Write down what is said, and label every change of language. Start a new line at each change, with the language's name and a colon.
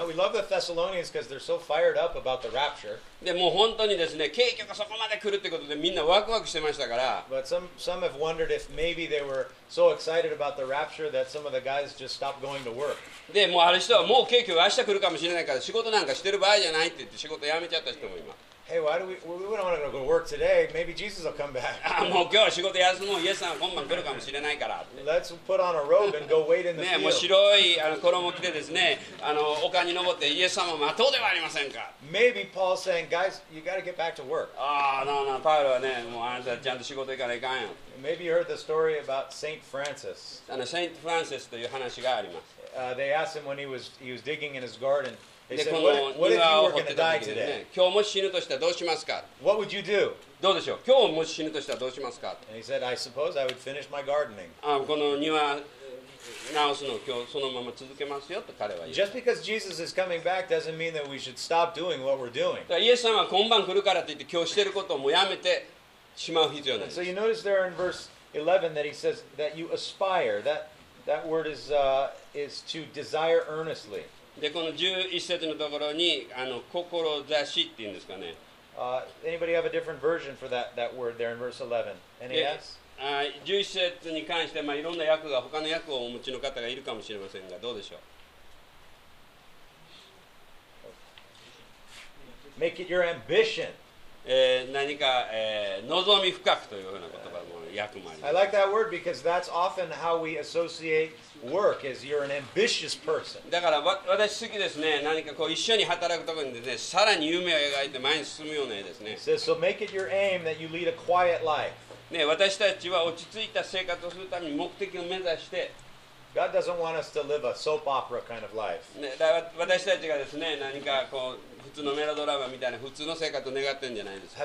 English: We love the Thessalonians because they're so fired up about the rapture.
Japanese: でも本当にですね、景気がそこまで来るってことでみんなワクワクしてましたから。
English: But some have wondered if maybe they were so excited about the rapture that some of the guys just stopped going to work.
Japanese: でもうある人はもう景気が明日来るかもしれないから仕事なんかしてる場合じゃないって言って仕事辞めちゃった人もいます。
English: Hey, why do we wouldn't want to go to work today? Maybe Jesus will come back.
Japanese: あ、もう今日は仕事休もう、イエスさんは今晩来るかもしれないからって。
English: Let's put on a robe and go wait in the field.
Japanese: もう白いあの衣を着てですね、あの丘に登ってイエス様を待とうではありませんか。
English: Maybe Paul's saying, guys, you got to get back to work.
Japanese: ああ、no, パウロはね、もうあなたちゃんと仕事行かないかんよ。
English: Maybe you heard the story about Saint Francis.
Japanese: あの、Saint Francis という話があります。
English: They asked him when he was digging in his garden. They said, what if you were going to die today?
Japanese: 今日もし死ぬとしたらどうしますか?
English: What would you do?
Japanese: どうでしょう? 今日もし死ぬとしたらどうしますか?
English: And he said, I suppose I would finish my gardening.
Japanese: この庭直すの今日そのまま続けますよと彼は言った。
English: Just because Jesus is coming back doesn't mean that we should stop doing what we're doing.
Japanese: イエス様は今晩来るからと言って今日していることをもうやめてしまう必要ないです。
English: So you notice there in verse 11 that he says that you aspire. That word is to desire earnestly.
Japanese: で、この11節のところに、あの、志って言うんですかね。
English: Anybody have a different version for that word there in verse 11? Any yes?
Japanese: 11節に関して、まあ、いろんな訳が、他の訳をお持ちの方がいるかもしれませんが、どうでしょう。
English: Make it your ambition.
Japanese: 何か、望み深くというふうな言葉も。
English: I like that word because that's often how we associate work, is you're an ambitious person.
Japanese: だから私好きですね。何かこう一緒に働くところにですね、さらに夢を描いて前に進むような絵ですね。
English: Says, so make it your aim that you lead a quiet life.
Japanese: ね、私たちは落ち着いた生活をするために目的を目指して。
English: God doesn't want us to live a soap opera kind of life.
Japanese: ね、私たちがですね、何かこう普通のメロドラマみたいな普通の生活を願ってるんじゃないですか。